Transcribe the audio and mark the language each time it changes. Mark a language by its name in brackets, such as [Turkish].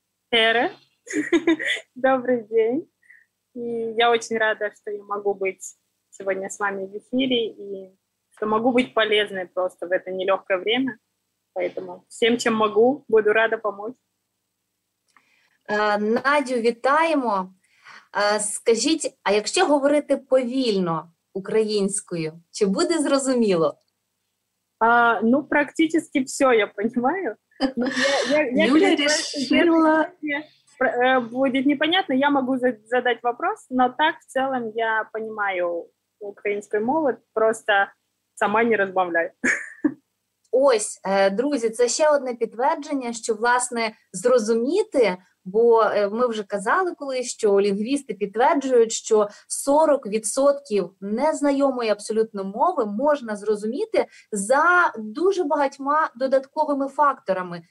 [Russian] Эра, добрый день. И я очень рада, что я могу быть сегодня с вами в эфире и что могу быть полезной просто в это нелегкое время. Поэтому всем, чем могу, буду рада помочь. [Ukrainian] Надю, вітаємо. Скажіть, а якщо говорити повільно українською, чи буде зрозуміло? [Russian] Ну, практически все, я понимаю. Юля решила... Будет непонятно, я могу задать вопрос, но так в целом я понимаю украинскую мову, просто сама не разбавляю. [Ukrainian] Ось, друзі, це ще одне підтвердження, що, власне, зрозуміти, бо ми вже казали колись, що лінгвісти підтверджують, що 40% незнайомої абсолютно мови можна зрозуміти за дуже багатьма додатковими факторами.